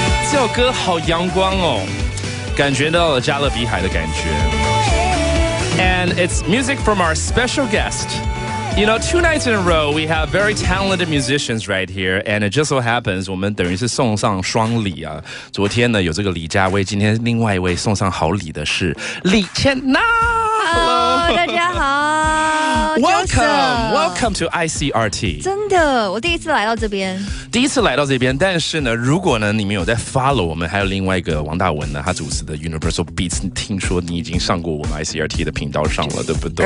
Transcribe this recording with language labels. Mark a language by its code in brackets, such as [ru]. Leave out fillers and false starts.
[zh] 这首歌好阳光哦，感觉到了加勒比海的感觉。 [en] And it's music from our special guest. You know, two nights in a row, we have very talented musicians right here. And it just so happens, [zh] 我们等于是送上双礼啊。昨天呢，有这个李佳薇，今天另外一位送上好礼的是李千娜。 [en] Hello, [zh] 大家好。 [en] Welcome to ICRT. [zh] 真的，我第一次来到这边。第一次来到这边，但是呢，如果呢你们有在 follow 我们，还有另外一个王大文呢，他主持的 Universal Beats， 听说你已经上过我们 ICRT 的频道上了，对不对？